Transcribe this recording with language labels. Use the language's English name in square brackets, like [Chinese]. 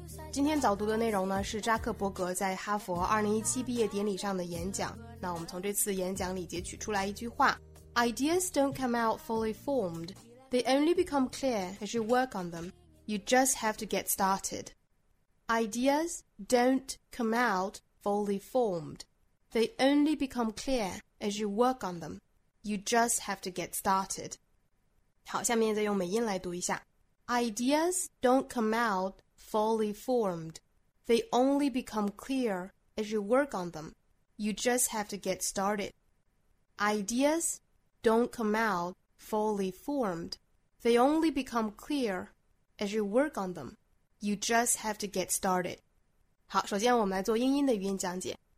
[Chinese] 今天早读的内容呢，是扎克伯格在哈佛2017毕业典礼上的演讲。那我们从这次演讲里截取出来一句话。 [English] Ideas don't come out fully formed. They only become clear as you work on them. You just have to get started. Ideas don't come out fully formed. They only become clear as you work on them. You just have to get started. [Chinese] 好，下面再用美音来读一下。 [English] Ideas don't come out fully formed. They only become clear as you work on them. You just have to get started. Ideas. Don't come out fully formed. They only become clear as you work on them. You just have to get started. [Chinese] 好，首先我们来做英音的语音讲解。